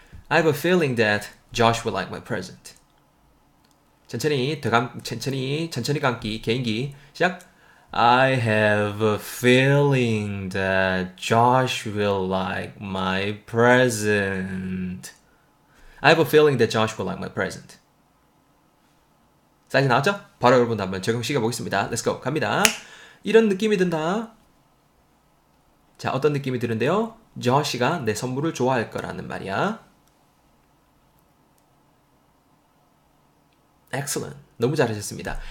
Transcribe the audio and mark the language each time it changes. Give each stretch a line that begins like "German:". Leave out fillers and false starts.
English: I have a feeling that Josh would like my present.
Korean: 천천히, 천천히 감기, 개인기. 시작!
English: I have a feeling that Josh will like my present. I have a feeling that Josh will like my present.
Korean: 사이즈 나왔죠? 바로 여러분도 한번 적용시켜 보겠습니다.
English: Let's go!
Korean: 갑니다. 이런 느낌이 든다. 자, 어떤 느낌이 드는데요? Josh가 내 선물을 좋아할 거라는 말이야.
English: Excellent.
Korean: 너무 잘하셨습니다.